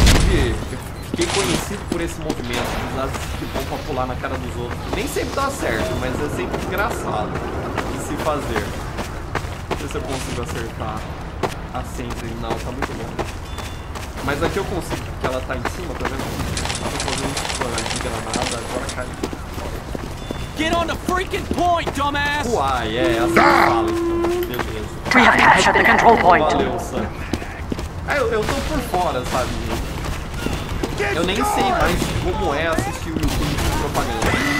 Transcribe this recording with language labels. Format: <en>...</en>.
<pt>E, fiquei conhecido por esse movimento, os asas que vão pra pular na cara dos outros. Nem sempre dá certo, mas é sempre engraçado de se fazer. Deixa eu ver se eu consigo acertar a sentry. Não, tá muito longe. Mas aqui eu consigo, porque ela tá em cima, tá vendo? Eu tô fazendo um spam de granada, agora cai.</pt> <en>Get on the freaking point, dumbass!</en> <pt>Uai, é, acertou. Beleza.</pt> <en>We have captured the control point.</en> <pt>Valeu, Sam. É, eu tô por fora, sabe, gente? Eu nem sei mais como é assistir o YouTube com propaganda.</pt>